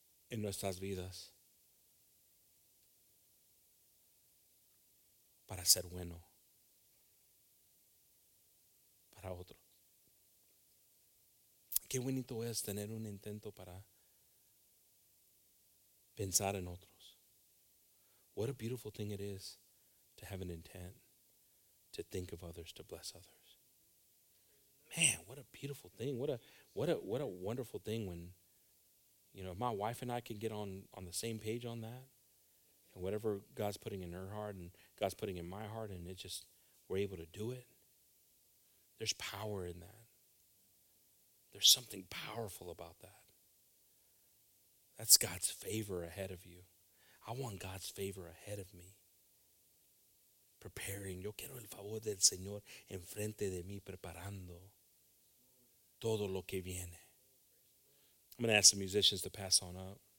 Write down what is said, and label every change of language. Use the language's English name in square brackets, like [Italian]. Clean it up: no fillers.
[Spanish] en nuestras vidas para ser bueno para otro. Qué bonito es tener un intento para pensar en otros. [English] What a beautiful thing it is to have an intent to think of others, to bless others. Man, what a beautiful thing. What a wonderful thing when, you know, if my wife and I can get on the same page on that, and whatever God's putting in her heart and God's putting in my heart, and it just, we're able to do it. There's power in that. There's something powerful about that. That's God's favor ahead of you. I want God's favor ahead of me. Preparing. [Spanish] Yo quiero el favor del Señor enfrente de mí, preparando todo lo que viene. [English] I'm going to ask the musicians to pass on up.